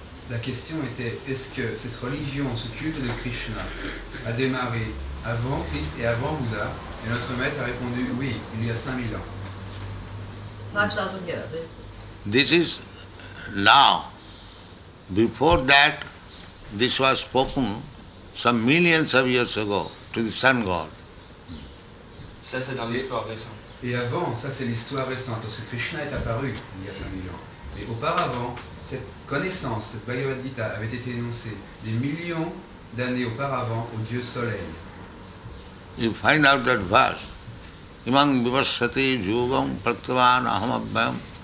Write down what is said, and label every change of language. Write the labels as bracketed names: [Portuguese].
[French] La question était, est-ce que cette religion, ce culte de Krishna, a démarré avant Christ et avant Bouddha? Et notre maître a répondu, oui, il y a 5000 ans. [English] 5,000 years. This is now. Before that, this was spoken some millions of years ago to the sun god. [French] Ça, c'est dans l'histoire récente. Et avant, ça c'est l'histoire récente, parce que Krishna est apparu il y a 5000 ans. Mais auparavant, cette connaissance, cette Bhagavad Gita, avait été énoncée des millions d'années auparavant au Dieu Soleil. [English] You find out that verse. [Sanskrit] Imam Vivasati Yugam Pratvan Aham Abhyam.